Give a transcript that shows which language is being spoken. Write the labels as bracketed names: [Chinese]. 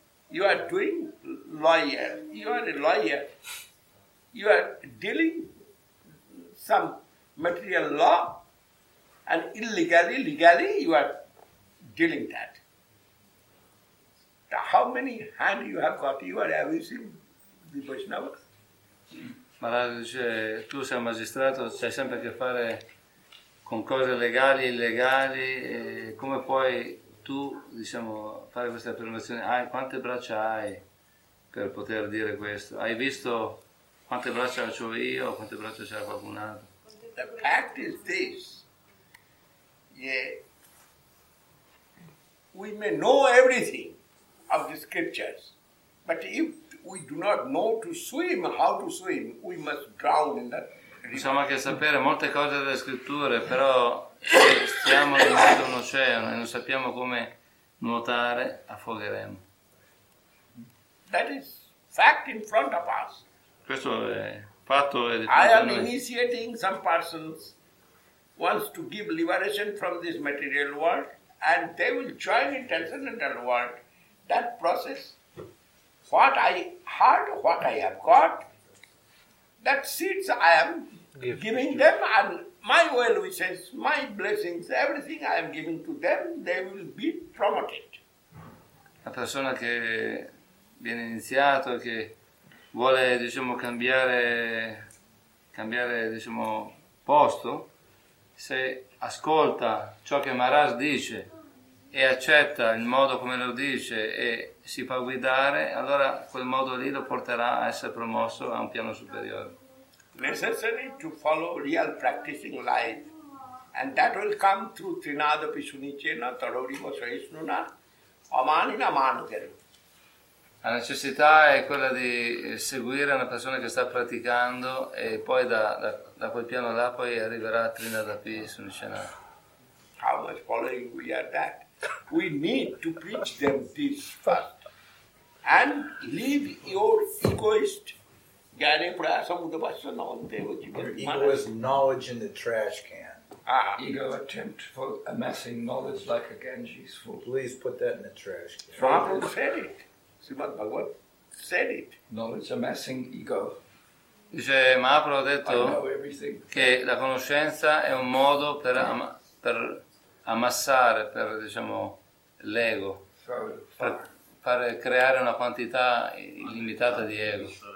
[English] You are doing lawyer. You are a lawyer. You are dealing some material law. And illegally, legally, you are dealing that. How many hands you have got? You are abusing the Vaishnava. [Italian] Maharaj dice, tu sei un magistrato, c'hai sempre a che fare con cose legali, illegali. E come puoi tu, diciamo, fare queste affermazioni? Hai, quante braccia hai per poter dire questo? Hai visto quante braccia ho io, quante braccia c'è qualcun altro? [English] The fact is this. Yeah. We may know everything of the scriptures, but if we do not know to swim, how to swim, we must drown in that river. [Italian] Possiamo anche sapere molte cose delle scritture, però se stiamo in mezzo a un oceano e non sappiamo come nuotare, affogheremo. [English] That is fact in front of us. [Italian] Questo è fatto. È [English] I am initiating some persons wants to give liberation from this material world, and they will join in transcendental world. That process, what I had, what I have got, that seeds I am giving them, and my well wishes, my blessings, everything I am giving to them, they will be promoted. [Italian] La persona che viene iniziato, che vuole, diciamo, cambiare, diciamo, posto, se ascolta ciò che Maharaj dice e accetta il modo come lo dice e si fa guidare, allora quel modo lì lo porterà a essere promosso a un piano superiore. [English] Necessary to follow real practicing life, and that will come through [Sanskrit] Trinada Pishunichena Tarorimo Sahishnuna Amanina Manukeru. [Italian] La necessità è quella di seguire una persona che sta praticando e poi da quel piano là poi arriverà a Trinadapi sul scenario. [English] How much following we are that? We need to preach them this first. And leave your egoist [Sanskrit] Gyane Prayasamudabhasana on Devajivadimana. [English] Your ego is knowledge in the trash can. Ego attempt for amassing knowledge like a Ganges fool. Please put that in the trash can. Prabhu said it. Srimad Bhagavat said it. Knowledge amassing ego. [Italian] Dice Mahaprabhu, ha detto che la conoscenza è un modo per ammassare, per, diciamo, l'ego, per fare creare una quantità illimitata di ego.